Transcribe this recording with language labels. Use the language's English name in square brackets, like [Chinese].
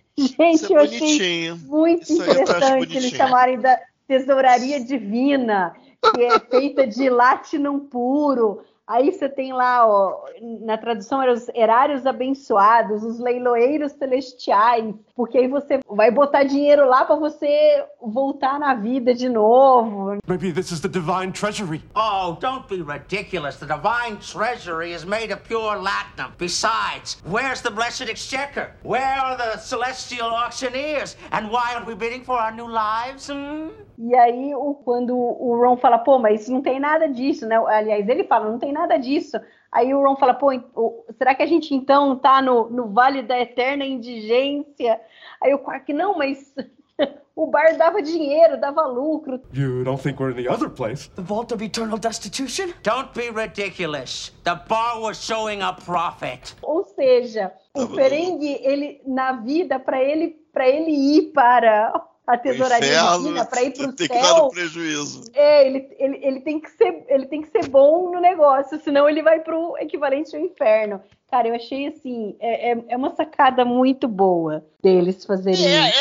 [Portuguese] Gente, é, eu achei muito isso interessante eles chamarem da tesouraria divina, que é feita de latinum puro. Aí você tem lá, ó, na tradução era os erários abençoados, os leiloeiros celestiais, porque aí você vai botar dinheiro lá para você voltar na vida de novo. [English] Maybe this is the divine treasury. Oh, don't be ridiculous. The divine treasury is made of pure latinum. Besides, where's the blessed exchequer? Where are the celestial auctioneers? And why aren't we bidding for our new lives? [Portuguese] E aí, quando o Ron fala, pô, mas não tem nada disso, né? Aliás, ele fala, não tem nada disso. Aí o Ron fala, pô, será que a gente então tá no Vale da Eterna Indigência? Aí o Quark, não, mas o bar dava dinheiro, dava lucro. [English] You don't think we're in the other place? The Vault of Eternal Destitution? Don't be ridiculous. The bar was showing a profit. [Portuguese] Ou seja, o Ferengi, ele, na vida, pra ele ir para a tesouraria divina, pra ir pro tem céu, que dar um prejuízo. É, ele tem que ser bom no negócio, senão ele vai pro equivalente ao inferno. Cara, eu achei assim, é uma sacada muito boa deles fazerem isso.